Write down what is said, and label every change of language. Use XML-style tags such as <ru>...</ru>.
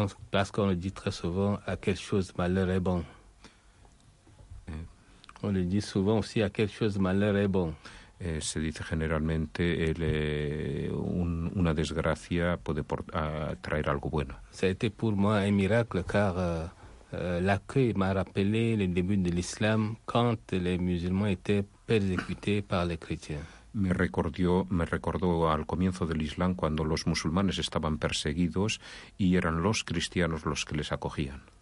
<fr>Parce qu'on le dit très souvent, à quelque chose malheur est bon. On le dit souvent aussi, à quelque chose malheur est bon.</fr> <es>Se dice generalmente, una desgracia puede traer algo bueno.</es> <fr>C'était pour moi un miracle, car... l'accueil m'a rappelé les débuts de l'islam quand les musulmans étaient persécutés par les chrétiens.</fr> <es>Me recordó al comienzo del islam cuando los musulmanes estaban perseguidos y eran los cristianos los que les acogían.</es>